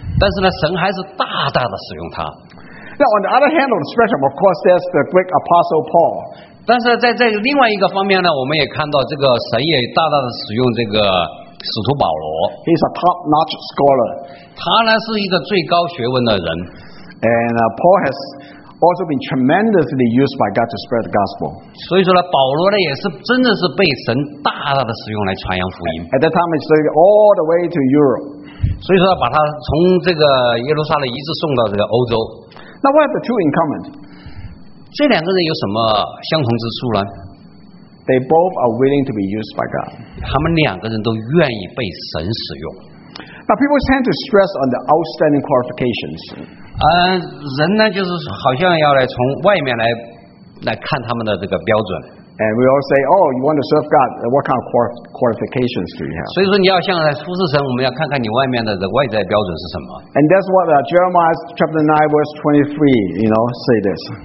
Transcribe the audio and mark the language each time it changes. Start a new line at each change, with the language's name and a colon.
Chinese: 但是呢，神还是大大的使用他。
English: Now, on the other hand of the spectrum, of course, there's the great apostle Paul.
Chinese: 但是在另外一个方面呢，我们也看到这个神也大大的使用这个使徒保罗。
English: He's a top-notch scholar.
Chinese: 他呢是一个最高学问的人。
English: And Paul has. Also been tremendously used by God to spread the gospel.
Chinese: 所以说呢，保罗呢也是真的是被神大大的使用来传扬福音。
English: At that time, he took all the way to Europe.
Chinese: 所以说把他从这个耶路撒冷一直送到这个欧洲。
English: Now, what are the two in common?
Chinese: 这两个人有什么相同之处呢？
English: They both are willing to be used by God.
Chinese: 他们两个人都愿意被神使用。
English: Now, people tend to stress on the outstanding qualifications.
Chinese: 人呢就是好像要来从外面来看他们的这个标准。
English: And we all say, oh, you want to serve God, what kind of qualifications do you have?
Chinese: 所以说你要向来服侍神，我们要看看你外面的这外在标准是什么。
English: And that's what Jeremiah chapter 9 verse 23, you know, say this.